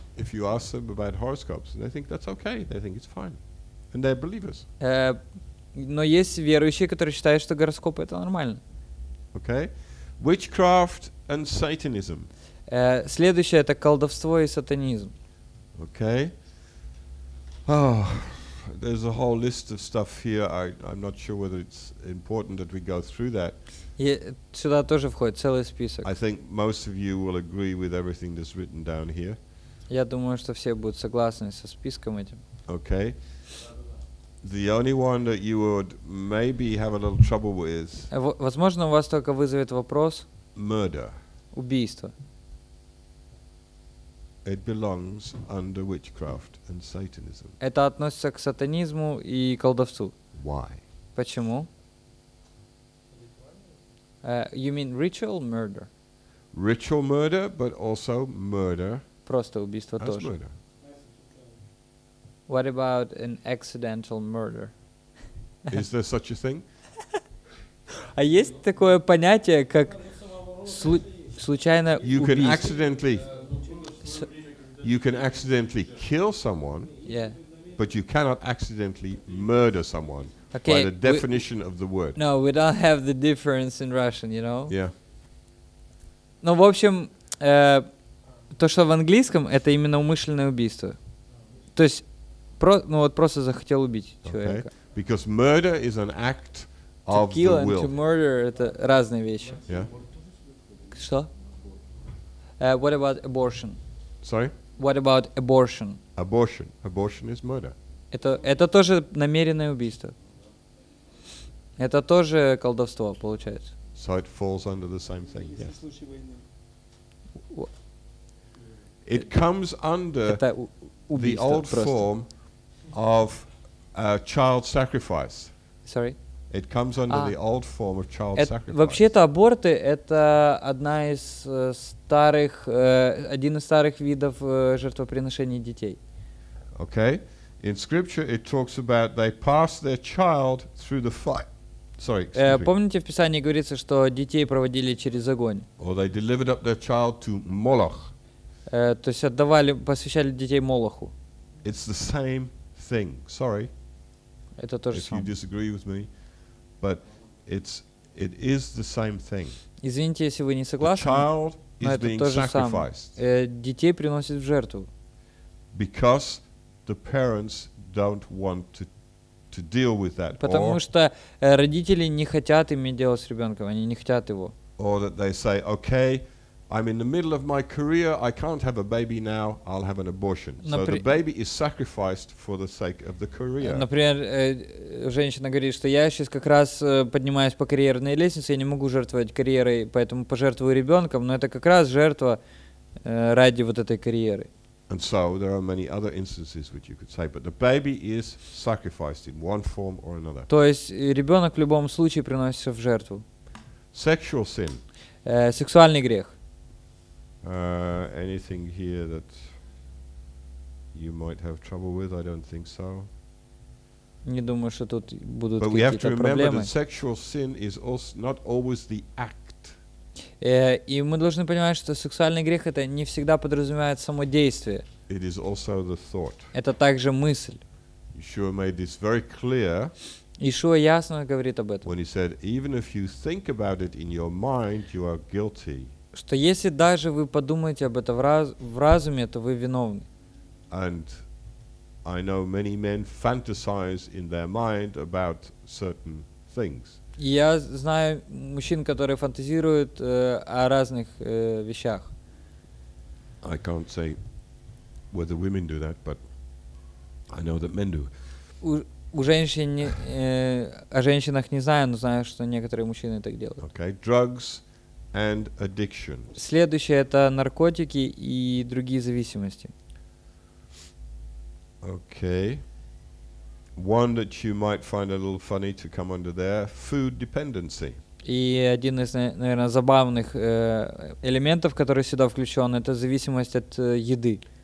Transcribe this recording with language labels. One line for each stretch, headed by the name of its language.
English: If you ask them about horoscopes, and they think that's okay, they think it's fine, and they're believers.
Russian: Но есть верующие, которые считают, что гороскопы это нормально.
English: Okay, witchcraft and Satanism.
Russian: Следующее это колдовство и сатанизм.
English: Okay. Oh, there's a whole list of stuff here. I'm not sure whether it's important that we go through that.
Russian: Сюда тоже входит целый список.
English: I think most of you will agree with everything that's written down here.
Russian: Я думаю, что все будут согласны со списком этим.
English: Okay. The only one that you would maybe have a little trouble with.
Russian: Возможно, у вас только вызовет вопрос.
English: Murder.
Russian: Убийство.
English: It belongs under witchcraft and Satanism.
Russian: Это относится к сатанизму и колдовству.
English: Why?
Russian: Почему?
English: You mean ritual murder? Ritual murder, but also murder.
Russian: Просто убийство
English: as
Russian: тоже.
English: Murder. What about an accidental murder? Is there such a thing?
Russian: А есть такое понятие, как случайное убийство?
English: You can accidentally kill someone, yeah. But you cannot accidentally murder someone by the definition of the word. No, we don't have the difference in Russian, you know? Yeah.
Russian: Ну, в общем, то, что в английском, это именно умышленное убийство. То есть, просто захотел убить человека.
English: Okay. Because murder is an act of the will. To kill and to murder
Russian: — это разные вещи.
English: Yeah.
Russian: Что?
English: What about abortion? Sorry? What about abortion? Abortion. Abortion is murder.
Russian: Это тоже намеренное убийство. Это тоже колдовство, получается.
English: So it falls under the same thing, yes. It comes under the old form of child sacrifice. Sorry? It comes under the old form of child sacrifice.
Russian: Вообще-то аборты — это один из старых видов жертвоприношений детей.
English: Okay. In scripture it talks about they pass their child through the fire. Sorry, excuse me.
Russian: Помните, в Писании говорится, что детей проводили через огонь?
English: Or they delivered up their child to Moloch.
Russian: То есть отдавали, посвящали детей Молоху.
English: It's the same thing. Sorry.
Russian: Это то же самое.
English: If you disagree with me, but it is the same thing.
Russian: Извините, если вы не согласны.
English: The child is being sacrificed.
Russian: Детей приносят в жертву.
English: Because the parents don't want to deal with that.
Russian: Потому что родители не хотят иметь дело с ребенком, они не хотят его.
English: Or that they say, okay, I'm in the middle of my career, I can't have a baby now, I'll have an abortion. So the baby is sacrificed for the sake of the career.
Russian: Например, женщина говорит, что я сейчас как раз поднимаюсь по карьерной лестнице, я не могу жертвовать карьерой, поэтому пожертвую ребенком, но это как раз жертва ради вот этой карьеры.
English: And so there are many other instances which you could say, but the baby is sacrificed in one form or another.
Russian: То есть ребенок в любом случае приносится в жертву.
English: Sexual sin.
Russian: Сексуальный грех.
English: Anything here that you might have trouble with? I don't think so.
Russian: Не думаю, что тут будут какие-то проблемы.
English: But we have to remember that sexual sin is also not always the act.
Russian: И мы должны понимать, что сексуальный грех это не всегда подразумевает само действие.
English: It is also the thought.
Russian: Это также мысль.
English: Yeshua made this very clear.
Russian: Yeshua ясно говорит об этом.
English: When he said, even if you think about it in your mind, you are guilty.
Russian: Что если даже вы подумаете об этом в разуме, то вы виновны.
English: And I know many men fantasize in their mind about certain things.
Russian: Я знаю мужчин, которые фантазируют о разных вещах.
English: I can't say whether women do that, but I know that men do.
Russian: О женщинах не знаю, но знаю, что некоторые мужчины так делают.
English: Okay, drugs and addictions.
Russian: Следующее это наркотики и другие зависимости.
English: Okay. One that you might find a little funny to come under there, food dependency.
Russian: И один из, наверное, забавных элементов, который сюда включен, это зависимость от еды.